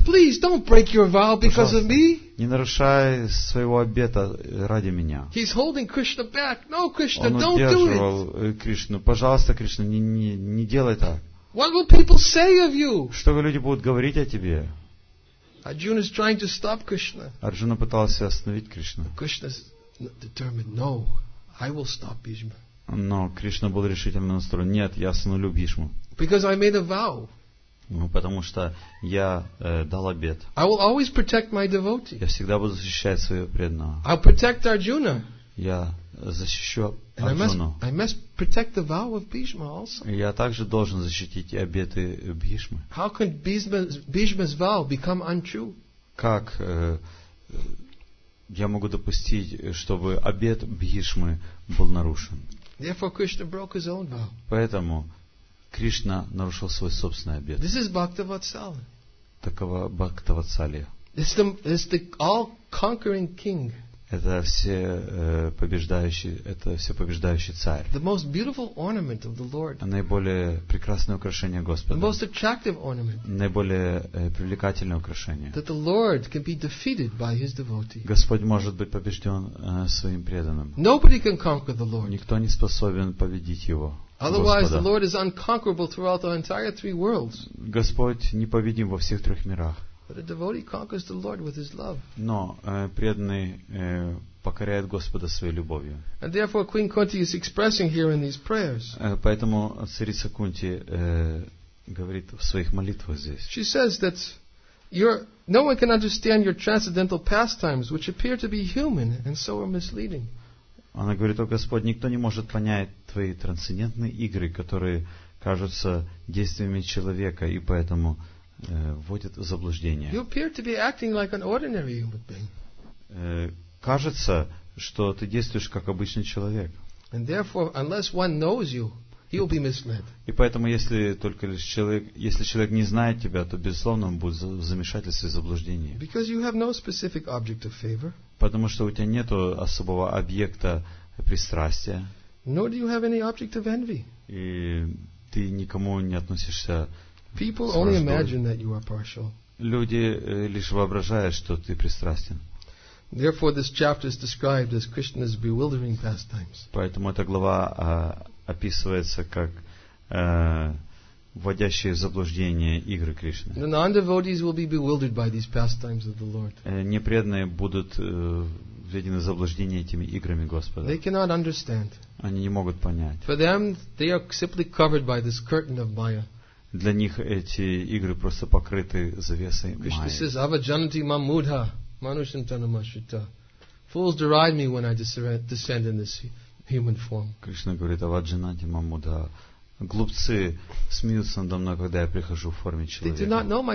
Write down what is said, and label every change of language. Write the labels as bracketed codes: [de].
[en] Please, don't break your vow because of me. [ru] Не нарушай своего обета ради меня. [en] He's holding Krishna back. No, Krishna, don't do it. [ru] Он удерживал Кришну. Пожалуйста, Кришна, не делай так. [en] What will people say of you? [ru] Что люди будут говорить о тебе? [en] Arjuna is trying to stop Krishna. [ru] Арджуна пытался остановить Кришну. [en] Krishna is determined. No, I will stop Bhishma. [ru] Но Кришна был решительно настроен. Нет, я остановлю Бхишму. [en] Because I made a vow. [ru] Потому что я дал обет. [en] I will always protect my devotee. [ru] Я всегда буду защищать своего преданного. [en] I'll protect Arjuna. [ru] Я защищу Арджуну. [en] I must protect the vow of Bhishma also. [ru] Я также должен защитить обеты Бхишмы. [en] How can Bhishma's vow become untrue? [ru] Как я могу допустить, чтобы обет Бхишмы был нарушен? [en] Therefore, Krishna broke his own vow. [ru] Поэтому Кришна нарушил свой собственный обет. [en] This is Bhaktavatsala. [ru] Такова Бхактавацалия. [en] It's the all-conquering king. [ru] Это все побеждающий царь. [en] The most beautiful ornament of the Lord. [ru] Наиболее прекрасное украшение Господа. [en] The most attractive ornament. [ru] Наиболее привлекательное украшение. [en] That the Lord can be defeated by his devotee. [ru] Господь может быть побежден своим преданным. [en] Nobody can conquer the Lord. [ru] Никто не способен победить его. [en] Otherwise, the Lord is unconquerable throughout the entire three worlds. [ru] Господь непобедим во всех трех мирах. [en] But a devotee conquers the Lord with his love. [ru] Но преданный покоряет Господа своей любовью. [en] And therefore, Queen Kunti is expressing here in these prayers. [ru] Поэтому царица Кунти говорит в своих молитвах здесь. [en] She says that no one can understand your transcendental pastimes, which appear to be human and so are misleading. [ru] Она говорит: «О Господь, никто не может понять твои трансцендентные игры, которые кажутся действиями человека и поэтому вводят в заблуждение». [en] You appear to be acting like an ordinary human being. [ru] Кажется, что ты действуешь как обычный человек. [en] And therefore, unless one knows you, he will be misled. [ru] И поэтому, если человек не знает тебя, то безусловно он будет в замешательстве и заблуждении. [en] Because you have no specific object of favor. [ru] Потому что у тебя нет особого объекта пристрастия. [en] Nor do you have any object of envy. [ru] И ты никому не относишься [en] People only imagine that you are partial. [ru] Люди лишь воображают, что ты пристрастен. [en] Therefore, this chapter is described as Krishna's bewildering pastimes. [ru] Поэтому эта глава описывается как вводящие в заблуждение игры Кришны. [en] The non-devotees will be bewildered by these pastimes of the Lord. [ru] Непреданные будут введены в заблуждение этими играми Господа. [en] They cannot understand. [ru] Они не могут понять. [en] For them, they are simply covered by this curtain of Maya. [ru] Для них эти игры просто покрыты завесой Майи. [en] Krishna says, [sa] "Avajanti mamudha, manushin tanamashita. [en] Fools deride me when I descend in this human form." [ru] Кришна говорит: [sa] "Avajanti mamudha." [ru] Глупцы смеются надо мной, когда я прихожу в форме человека.